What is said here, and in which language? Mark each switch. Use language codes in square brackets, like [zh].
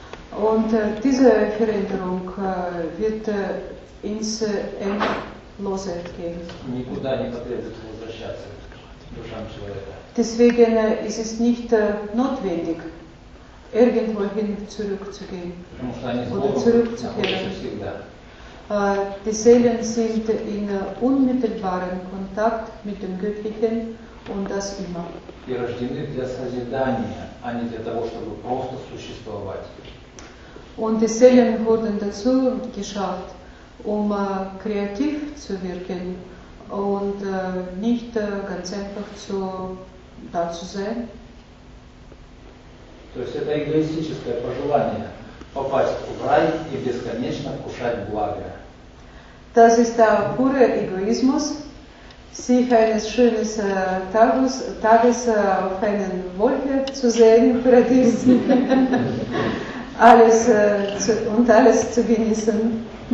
[de] Und diese Veränderung wird ins Endlose gehen. [ru] Никуда не потребуется возвращаться душам человека. [de] Deswegen ist es nicht notwendig, irgendwohin zurückzugehen oder zurückzukehren. Die Seelen sind in unmittelbarem Kontakt mit dem Göttlichen und das immer. [ru] И рождены для созидания, а не для того, чтобы просто существовать. [de] Und die Seelen wurden dazu geschafft, um kreativ zu wirken und nicht ganz einfach zu da zu sein. [ru] То есть это эгоистическое пожелание попасть в рай и бесконечно вкушать благо. [de] Das ist der pure Egoismus, sich eines schönes Tages auf einen Wolke zu sehen, Paradies, alles und alles zu genießen.